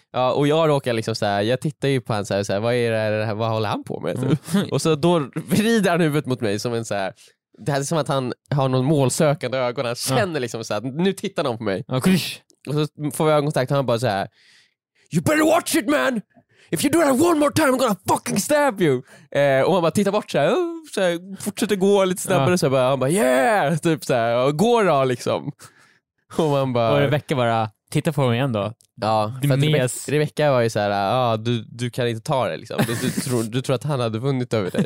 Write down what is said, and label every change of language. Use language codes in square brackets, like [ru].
[sv] Ja, och jag råkar liksom så här, jag tittar ju på han så här, vad är det här, vad håller han på med? Och så då vrider han huvudet mot mig som en så här, det här är som att han har någon målsökande ögon. Han känner liksom så här, nu tittar någon på mig. Och så får vi ögonkontakt och han bara så här, [en] you better watch it man. If you do that one more time I'm gonna fucking stab you. [sv] Och man bara tittar bort så här, fortsätter gå lite snabbare så bara, han bara yeah typ så här, och går då liksom. Och man bara, och Rebecka bara titta på honom igen då. Ja, Rebecka var ju så här, du kan inte ta det liksom. Du tror att han hade vunnit över dig.